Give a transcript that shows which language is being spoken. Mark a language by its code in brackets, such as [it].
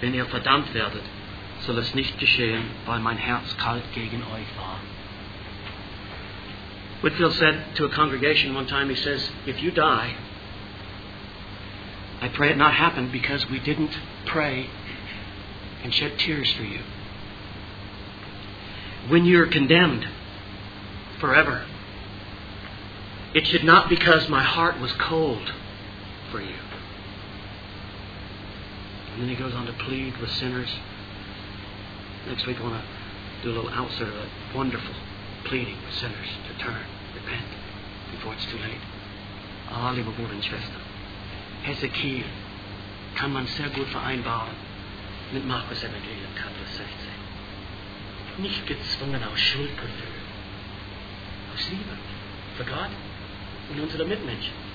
[de] Wenn ihr verdammt werdet, soll es nicht geschehen, weil mein Herz kalt gegen euch war. [en] Whitefield said to a congregation one time, he says, if you die, I pray it not happen because we didn't pray and shed tears for you. When you're condemned forever, it should not be because my heart was cold for you. And then he goes on to plead with sinners. Next week I want to do a little outset of that wonderful pleading with sinners to turn, repent, before it's too late. [de] Ah, liebe Brüder und Schwestern, Hezekiel kann man sehr gut vereinbaren mit Markus Evangelium Kapitel 16. Nicht gezwungen aus Schuldgefühl, aus Liebe für Gott und unsere Mitmenschen.